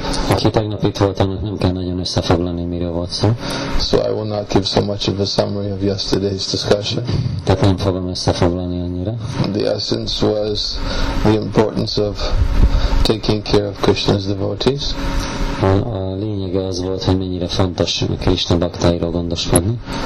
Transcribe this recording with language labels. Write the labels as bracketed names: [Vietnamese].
[Hungarian] Aki tegnap itt volt, annak nem kell nagyon összefoglalni, miről volt szó. [English] So I will not give so much of a summary of yesterday's discussion. [Hungarian] Tehát nem fogom összefoglalni annyira. [English] The essence was the importance of taking care of Krishna's devotees. [Hungarian] A lényege az volt, hogy mennyire fontos a Krishna baktáiról gondoskodni.